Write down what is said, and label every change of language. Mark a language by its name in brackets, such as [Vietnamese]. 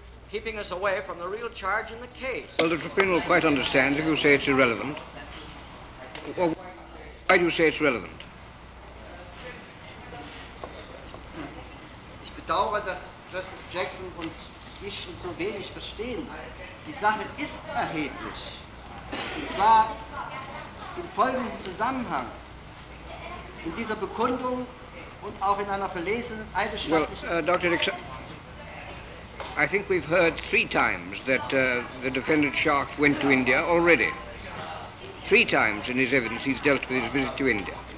[English] Keeping us away from the real charge in the case. Well, the tribunal quite understands if you say it's irrelevant. Well, why do you say it's relevant? [German] Ich bedauere, dass Justice Jackson und ich ihn so wenig verstehen. Die Sache ist erheblich. Und zwar im folgenden Zusammenhang. In dieser Bekundung und auch in einer verlesenen eidesstattlichen... [English] Well, Dr. Dixon, I think we've heard three times that the defendant Shark went to India already. Three times in his evidence he's dealt with his visit to India.